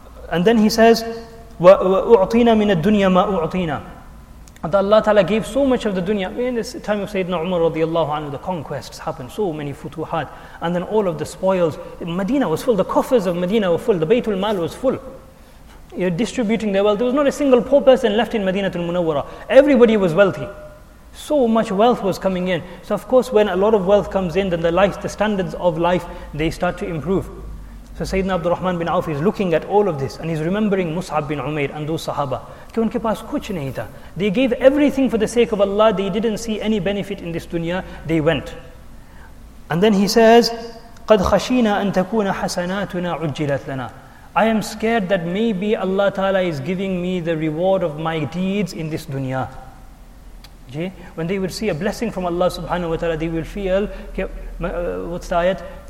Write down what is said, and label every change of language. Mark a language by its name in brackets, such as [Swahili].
[English] And then he says, [Arabic] وَأُعْطِينَا مِنَ الدُّنْيَا مَا أُعْطِينَا. [English] That Allah Ta'ala gave so much of the dunya. In this time of Sayyidina Umar radiallahu anhu, the conquests happened, so many futuhat. And then all of the spoils, Medina was full, the coffers of Medina were full, the Baytul Mal was full. You're distributing their wealth. There was not a single poor person left in Madinatul Munawwara. Everybody was wealthy. So much wealth was coming in. So of course, when a lot of wealth comes in, then the standards of life, they start to improve. So Sayyidina Abdul Rahman bin Auf is looking at all of this and he's remembering Mus'ab bin Umair and those Sahaba. They gave everything for the sake of Allah. They didn't see any benefit in this dunya. They went. And then he says, [Arabic] قَدْ خَشِينَا أَن تَكُونَ حَسَنَاتُنَا عُجِّلَتْ لَنَا. [English] I am scared that maybe Allah Ta'ala is giving me the reward of my deeds in this dunya. When they will see a blessing from Allah Subhanahu wa Ta'ala, they will feel, what's the ayat?